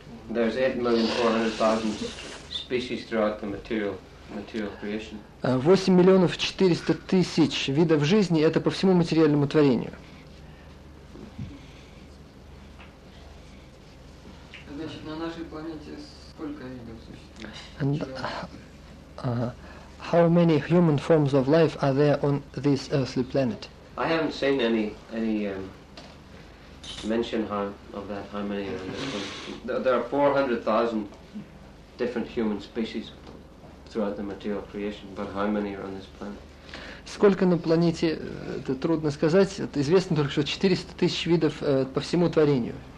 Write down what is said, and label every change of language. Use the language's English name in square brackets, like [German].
[English] There's 8,400,000 species throughout the material creation. [Russian] 8,400,000 видов жизни – это по всему материальному творению. Значит, на нашей планете сколько видов существует? [English] How many human forms of life are there on this earthly planet? I haven't seen any mention how many are in this one. There are 400,000 different human species throughout the material creation, but how many are on this planet? [Russian] С сколько на планете, это трудно сказать, это известно только, что 400 тысяч видов по всему творению.